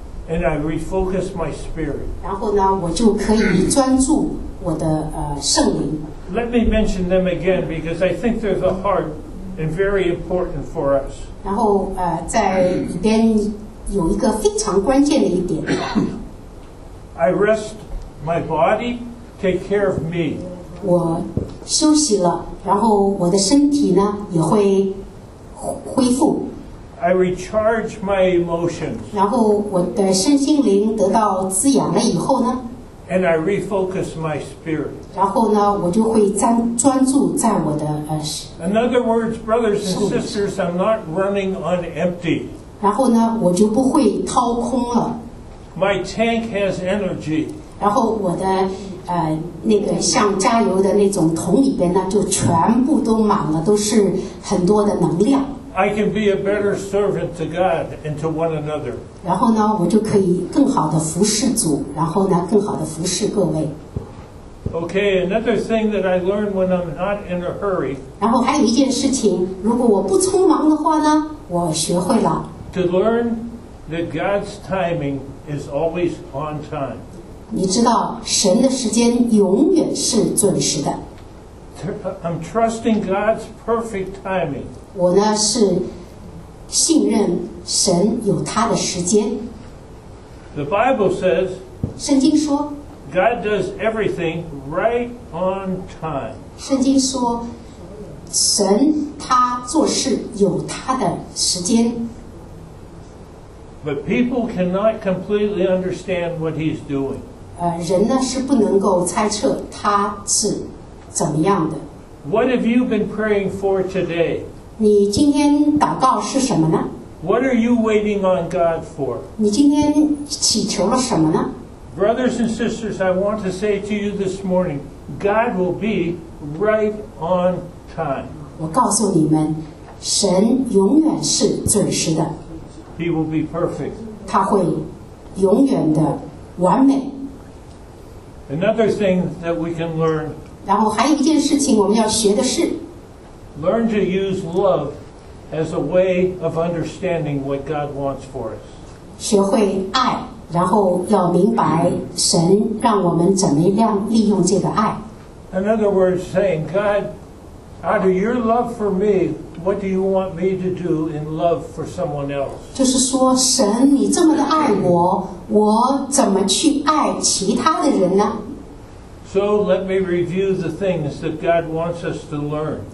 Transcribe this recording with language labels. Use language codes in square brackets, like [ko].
[en] And I refocus my spirit. [zh] 然后呢我就可以专注我的圣灵。 [en] Let me mention them again because I think they're the heart and very important for us. [zh] 然后在里边有一个非常关键的一点。 [en] I rest my body, take care of me. [zh] 我休息了，然后我的身体呢也会恢复。 [en] I recharge my emotions. [zh] 然后我的身心灵得到滋养了以后呢 [en] ？And I refocus my spirit. [zh] 然后呢，我就会专注在我的 [en] In other words, brothers and sisters, I'm not running on empty. [zh] 然后呢，我就不会掏空了。 [en] My tank has energy. [zh] 然后我的那个像加油的那种桶里边呢，就全部都满了，都是很多的能量。 [en] I can be a better servant to God and to one another. [zh] 然后呢，我就可以更好的服侍主，然后呢，更好的服侍各位。 [en] Okay, another thing that I learn when I'm not in a hurry. [zh] 然后还有一件事情，如果我不匆忙的话呢，我学会了。 [en] To learn that God's timing is always on time. [zh] 你知道神的时间永远是准时的。 [en] I'm trusting God's perfect timing. [zh] 我呢是信任神有他的时间。 [en] The Bible says. [zh] 圣经说。 [en] God does everything right on time. [zh] 圣经说，神他做事有他的时间。 [en] But people cannot completely understand what he's doing. [zh] 人呢是不能够猜测他是怎么样的。 [en] What have you been praying for today? [zh] 你今天祷告是什么呢？ [en] What are you waiting on God for? [zh] 你今天祈求了什么呢？ [en] Brothers and sisters, I want to say to you this morning, God will be right on time. [zh] 我告诉你们，神永远是准时的。 [en] He will be perfect. [zh] 他会永远的完美。 [en] Another thing that we can learn. [zh] 然后还有一件事情我们要学的是。 [en] Learn to use love as a way of understanding what God wants for us. [zh] 学会爱。然后要明白神让我们怎么样利用这个爱。 [en] In other words, saying, God, Out of your love for me, what do you want me to do in love for someone else? [zh] 就是说，神，你这么的爱我，我怎么去爱其他的人呢？ [en] So let me review the things that God wants us to learn.